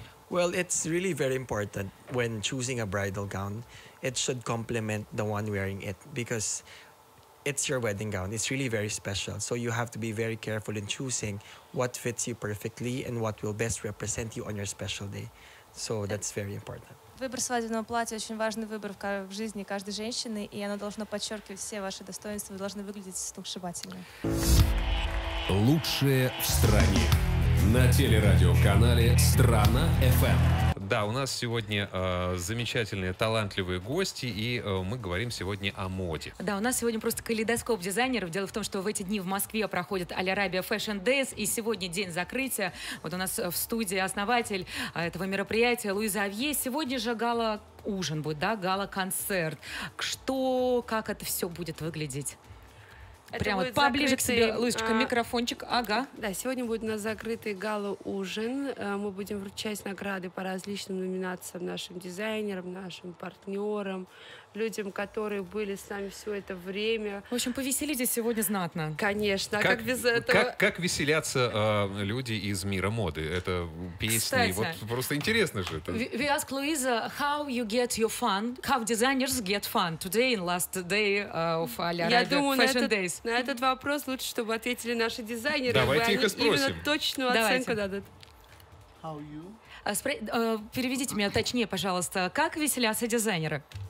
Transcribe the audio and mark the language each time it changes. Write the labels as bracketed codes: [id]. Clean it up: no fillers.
[en] Well, it's really very important when choosing a bridal gown. It should complement the one wearing it, because... It's your wedding gown. It's really very special. So you have to be very careful in choosing what fits you perfectly and what will best represent you on your special day. So that's very important. [ru] Выбор свадебного платья — очень важный выбор в жизни каждой женщины, и оно должно подчеркивать все ваши достоинства. Вы должны выглядеть сногсшибательно. Лучшее в стране. На телерадиоканале «Страна FM». Да, у нас сегодня замечательные, талантливые гости, и мы говорим сегодня о моде. Да, у нас сегодня просто калейдоскоп дизайнеров. Дело в том, что в эти дни в Москве проходит Al-Arabia Fashion Days, и сегодня день закрытия. Вот у нас в студии основатель этого мероприятия Луиза Авье. Сегодня же гала-ужин будет, да, гала-концерт. Что, как это все будет выглядеть? Прямо вот поближе закрытый... к себе, Луисочка, микрофончик, ага. Да, сегодня будет у нас закрытый гала-ужин. Мы будем вручать награды по различным номинациям нашим дизайнерам, нашим партнерам, людям, которые были с нами все это время. В общем, повеселитесь сегодня знатно. Конечно, как без этого? Как веселятся люди из мира моды? Это песни. Кстати, вот просто интересно же это. [en] We ask Luisa, how you get your fun? How designers get fun today in last day of Al-Arabia Fashion Days? [ru] Я думаю, на этот вопрос лучше, чтобы ответили наши дизайнеры. Давайте их спросим. Именно точную оценку дадут. [en] How you? [ru] Переведите меня точнее, пожалуйста. Как веселятся дизайнеры?